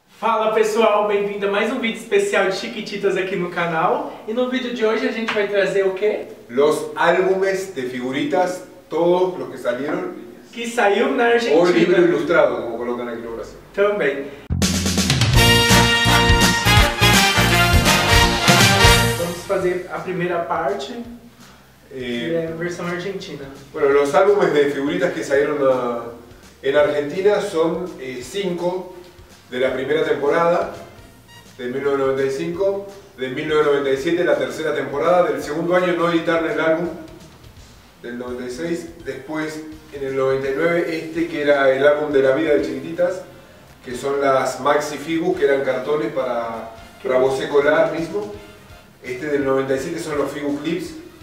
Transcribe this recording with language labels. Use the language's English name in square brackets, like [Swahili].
[Portuguese] Fala pessoal, bem-vindo a mais um vídeo especial de Chiquititas aqui no canal. E no vídeo de hoje a gente vai trazer o quê? [Spanish] Los álbumes de figuritas, todo lo que salieron. [Portuguese] Que saiu na Argentina. O livro ilustrado, como [Spanish] colocan [Portuguese] aqui no Brasil. Também. Vamos fazer a primeira parte, que é a versão argentina. [Spanish] Bueno, los álbumes de figuritas que salieron en Argentina son 5. De la primera temporada, de 1995, de 1997, la tercera temporada, del segundo año no editaron el álbum, del 96, después en el 99 este que era el álbum de la vida de Chiquititas, que son las Maxi Figu, que eran cartones para vos colar mismo, este del 97 son los Figu Clips,